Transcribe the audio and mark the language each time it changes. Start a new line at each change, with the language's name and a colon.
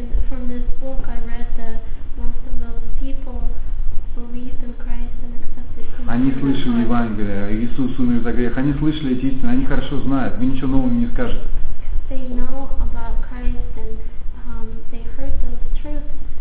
English: From this book I read that most of those people believed in Christ and accepted Him.
Russian: Они слышали Евангелие, Иисус умер за грех, они слышали эти истины, они хорошо знают, вы ничего нового не скажете.
English: They know about Christ and they heard those truths.